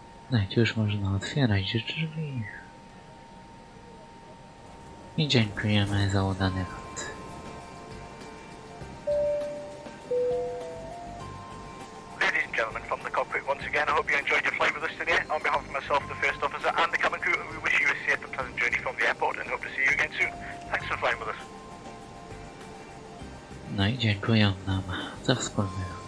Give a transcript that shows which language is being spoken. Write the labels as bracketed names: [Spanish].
[Polish] No i już można otwierać drzwi. I dziękujemy za udany lot. [English] Ladies and gentlemen, from the cockpit once again, I hope you enjoyed your flight with us today. On behalf of myself, the first officer, and the cabin crew, we wish you a safe and pleasant journey from the airport and hope to see you again soon. Thanks for flying with us. [Polish] No i dziękuję nam za wspólny.